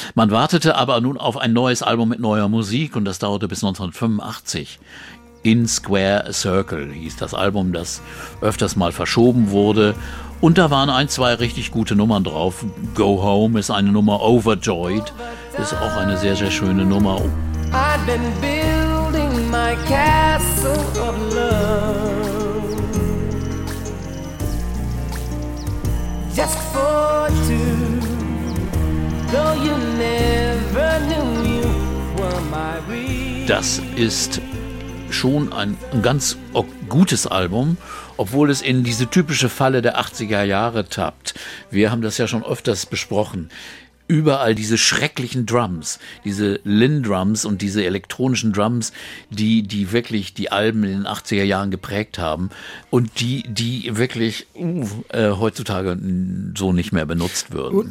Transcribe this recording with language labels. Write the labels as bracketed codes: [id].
[de] Man wartete aber nun auf ein neues Album mit neuer Musik. Und das dauerte bis 1985. In Square Circle hieß das Album, das öfters mal verschoben wurde. Und da waren ein, zwei richtig gute Nummern drauf. Go Home ist eine Nummer. Overjoyed ist auch eine sehr, sehr schöne Nummer. [en] I've been building my castle of love just for two, though you never knew you were my reason. [de] Das ist schon ein ganz gutes Album, obwohl es in diese typische Falle der 80er Jahre tappt. Wir haben das ja schon öfters besprochen. Überall diese schrecklichen Drums, diese Lin-Drums und diese elektronischen Drums, die wirklich die Alben in den 80er Jahren geprägt haben und die wirklich heutzutage so nicht mehr benutzt würden.